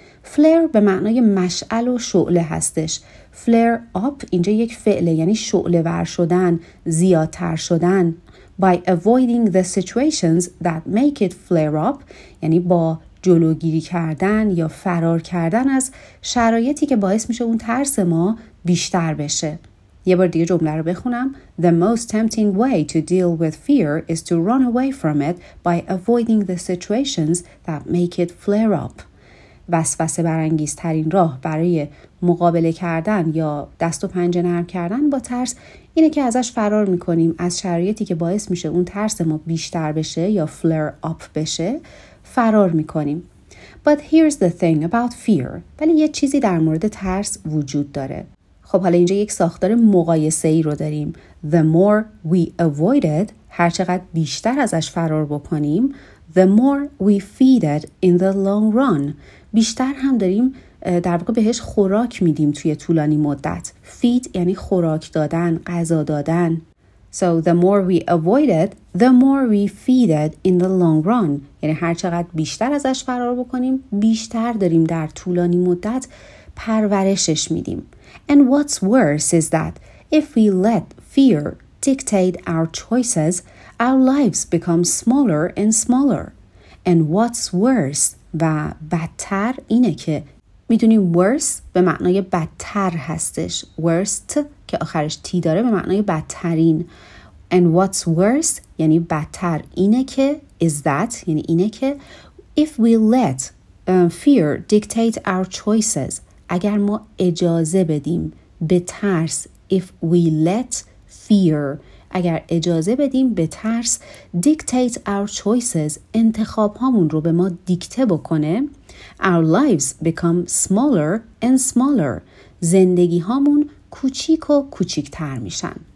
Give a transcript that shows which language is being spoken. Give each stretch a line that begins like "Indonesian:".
Persian: فلر به معنای مشعل و شعله هستش. فلر آپ اینجا یک فعله، یعنی شعله ور شدن، زیادتر شدن.
English: By avoiding the situations that make it flare up،
Persian: یعنی با جلوگیری کردن یا فرار کردن از شرایطی که باعث میشه اون ترس ما بیشتر بشه. یه بار دیگه جمله رو بخونم.
English: The most tempting way to deal with fear is to run away from it by avoiding the situations that make it flare up.
Persian: وسوسه برانگیزترین راه برای مقابله کردن یا دست و پنجه نرم کردن با ترس اینه که ازش فرار میکنیم، از شرایطی که باعث میشه اون ترس ما بیشتر بشه یا فلر آپ بشه فرار میکنیم.
English: But here's the thing about fear.
Persian: ولی یه چیزی در مورد ترس وجود داره. خب حالا اینجا یک ساختار مقایسه‌ای رو داریم.
English: The more we avoid it،
Persian: هر چقدر بیشتر ازش فرار بکنیم،
English: the more we feed it in the long run،
Persian: بیشتر هم داریم در واقع بهش خوراک میدیم توی طولانی مدت. feed یعنی خوراک دادن، غذا دادن.
English: So the more we avoid it, the more we feed it in the long run،
Persian: یعنی هر چقدر بیشتر ازش فرار بکنیم، بیشتر داریم در طولانی مدت پرورشش میدیم.
English: And what's worse is that if we let fear dictate our choices, our lives become smaller and smaller. And what's worse،
Persian: و بدتر اینه که، میدونیم worse به معنای بدتر هستش، worst که آخرش تی داره به معنای بدترین.
English: And what's worse
Persian: یعنی بدتر اینه که،
English: is that
Persian: یعنی اینه که،
English: if we let fear dictate our choices،
Persian: اگر ما اجازه بدیم به ترس،
English: if we let fear،
Persian: اگر اجازه بدیم به ترس
English: dictate our choices،
Persian: انتخاب هامون رو به ما دیکته بکنه،
English: our lives become smaller and smaller،
Persian: زندگی هامون کوچیک و کوچیکتر میشن.